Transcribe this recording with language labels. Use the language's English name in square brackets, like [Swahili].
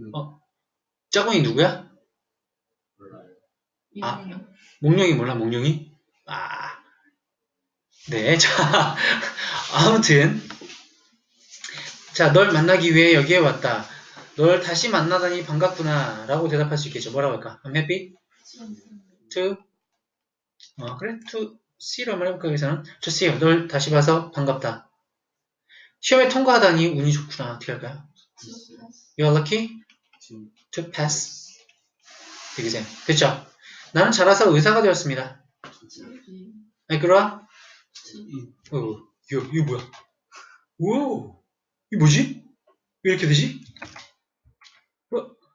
[Korean] 어? 짜공이 누구야? 몰라요. 아, 몽룡이 몰라, 몽룡이? 아. 네, 자. 아무튼. 자, 널 만나기 위해 여기에 왔다. 널 다시 만나다니 반갑구나. 라고 대답할 수 있겠죠. 뭐라고 할까? [English] I'm happy to, [Korean] 그래? to see로 한번 해볼까? 여기서는. to see you. 널 다시 봐서 반갑다. 시험에 통과하다니 운이 좋구나. 어떻게 할까요? [English] You are lucky to pass the exam. [Korean] 됐죠? 나는 자라서 의사가 되었습니다. [English] I grew up. [Korean] 이거 뭐야? 오, 이 뭐지? 왜 이렇게 되지? 어?